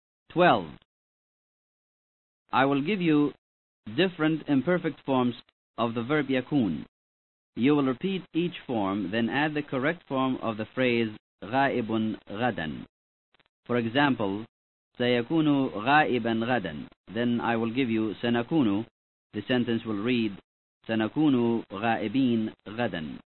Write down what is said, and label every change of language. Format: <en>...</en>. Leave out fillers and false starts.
<en>12. I will give you different imperfect forms of the verb يكون. You will repeat each form, then add the correct form of the phrase</en> <ar>غائب غدا.</ar> <en>For example,</en> <ar>سيكون غائبا غدا.</ar> <en>Then I will give you سنكون. The sentence will read</en> <ar>سنكون غائبين غدا.</ar>